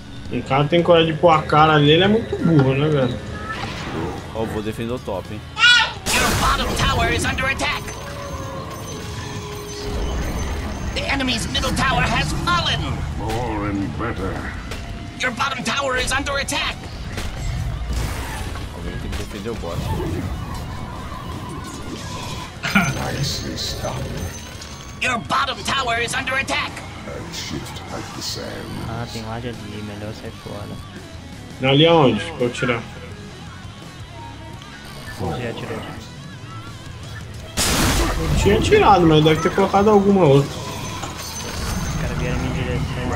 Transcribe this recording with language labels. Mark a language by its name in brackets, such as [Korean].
[Portuguese] O cara tem coragem de pôr a cara ali, ele é muito burro, né, velho? Ó, vou defender o top, hein? [English] Your bottom tower is under attack! The enemy's middle tower has fallen! More and better. Your bottom tower is under attack! [Portuguese] Alguém tem que defender o bot. [English] Nicely stopped. Your bottom tower is under attack! Shift like the sand. [Portuguese] Ah, tem loja ali, melhor sair fora. Ali aonde? É pra eu tirar. Já tirou. Eu tinha tirado, mas deve ter colocado alguma outra. Os caras vieram em direção.